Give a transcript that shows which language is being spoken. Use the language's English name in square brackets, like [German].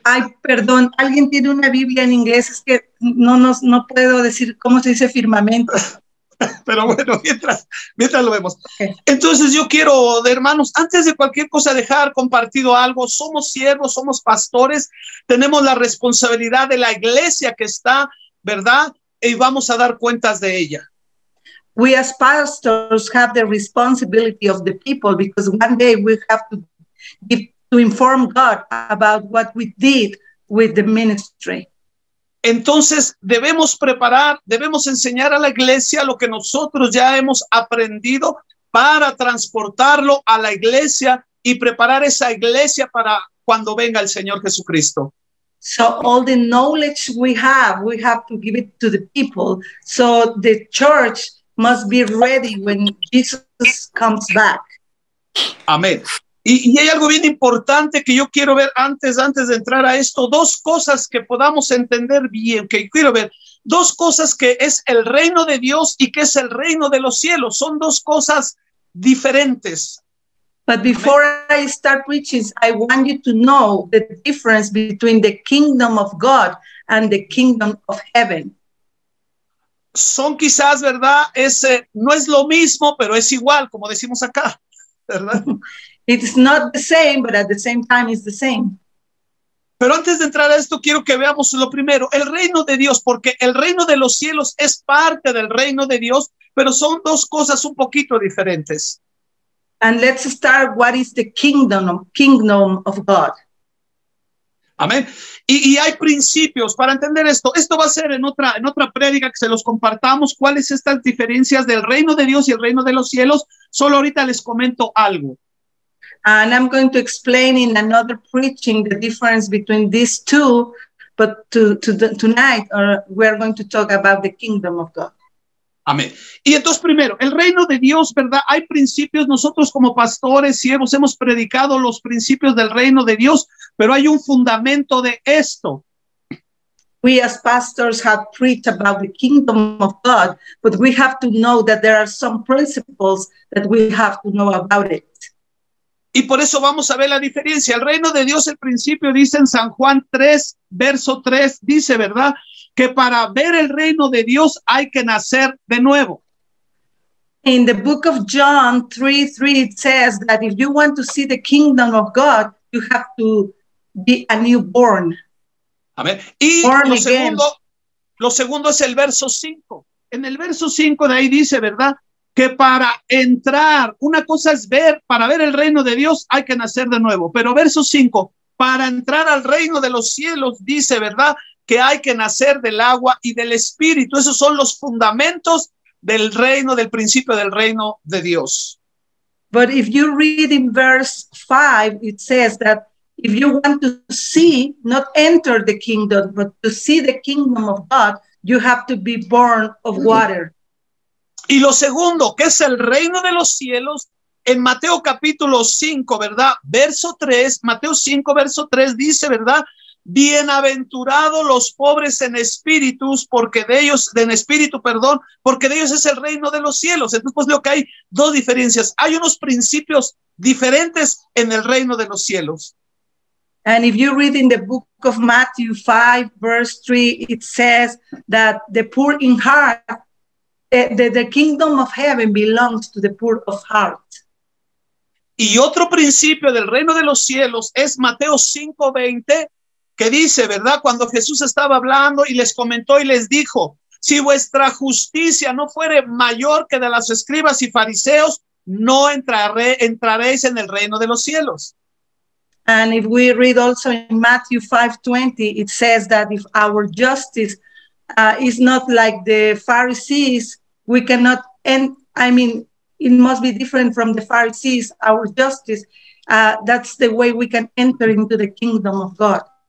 [Spanish] Ay, perdón, ¿alguien tiene una Biblia en inglés? Es que no puedo decir cómo se dice firmamento. Pero bueno, mientras lo vemos. Entonces yo quiero, hermanos, antes de cualquier cosa dejar compartido algo, somos siervos, somos pastores, tenemos la responsabilidad de la iglesia que está, ¿verdad? Y vamos a dar cuentas de ella. [English] We as pastors have the responsibility of the people because one day we have to inform God about what we did with the ministry. [Spanish] Entonces debemos preparar, debemos enseñar a la iglesia lo que nosotros ya hemos aprendido para transportarlo a la iglesia y preparar esa iglesia para cuando venga el Señor Jesucristo. [English] So all the knowledge we have to give it to the people. So the church must be ready when Jesus comes back. Amén. [Spanish] Y hay algo bien importante que yo quiero ver antes de entrar a esto. Dos cosas que podamos entender bien, que quiero ver. Dos cosas que es el reino de Dios y que es el reino de los cielos. Son dos cosas diferentes. [English] But before I start preaching, I want you to know the difference between the kingdom of God and the kingdom of heaven. [Spanish] Son quizás, ¿verdad? No es lo mismo, pero es igual, como decimos acá, ¿verdad? [English] It's not the same, but at the same time, it's the same. [Spanish] Pero antes de entrar a esto, quiero que veamos lo primero, el reino de Dios, porque el reino de los cielos es parte del reino de Dios, pero son dos cosas un poquito diferentes. [English] And let's start, what is the kingdom of God? [Spanish] Amén. Y hay principios para entender esto. Esto va a ser en otra prédica que se los compartamos, cuáles estas diferencias del reino de Dios y el reino de los cielos. Solo ahorita les comento algo. [English] And I'm going to explain in another preaching the difference between these two, but tonight we're going to talk about the kingdom of God. [Spanish] Amén. Y entonces primero, el reino de Dios, ¿verdad? Hay principios, nosotros como pastores, siervos, hemos predicado los principios del reino de Dios, pero hay un fundamento de esto. [English] We as pastors have preached about the kingdom of God, but we have to know that there are some principles that we have to know about it. [Spanish] Y por eso vamos a ver la diferencia. El reino de Dios, el principio, dice en San Juan 3, verso 3, dice, ¿verdad? Que para ver el reino de Dios hay que nacer de nuevo. [English] In the book of John 3, 3, it says that if you want to see the kingdom of God, you have to be a newborn. [Spanish] Amén. Y lo segundo es el verso 5. En el verso 5 de ahí dice, ¿verdad? Que para entrar, una cosa es ver, para ver el reino de Dios hay que nacer de nuevo. Pero verso 5, para entrar al reino de los cielos, dice, ¿verdad? Que hay que nacer del agua y del espíritu. Esos son los fundamentos del reino, del principio del reino de Dios. [English] But if you read in verse 5, it says that if you want to see, not enter the kingdom, but to see the kingdom of God, you have to be born of water. [Spanish] Y lo segundo, que es el reino de los cielos, en Mateo capítulo 5, ¿verdad? Verso 3, Mateo 5, verso 3, dice, ¿verdad? Bienaventurados los pobres en espíritus, porque de ellos, en espíritu, perdón, porque de ellos es el reino de los cielos. Entonces, pues veo que hay dos diferencias. Hay unos principios diferentes en el reino de los cielos. [English] And if you read in the book of Matthew 5, verse 3, it says that the poor in heart, The kingdom of heaven belongs to the poor of heart. [Spanish] Y otro principio del reino de los cielos es Mateo 5:20, que dice, ¿verdad? Cuando Jesús estaba hablando y les comentó y les dijo, si vuestra justicia no fuere mayor que de las escribas y fariseos, no entraréis en el reino de los cielos. [English] And if we read also in Matthew 5:20, it says that if our justice is not like the Pharisees, we cannot, and I mean, it must be different from the Pharisees, our justice. That's the way we can enter into the kingdom of God.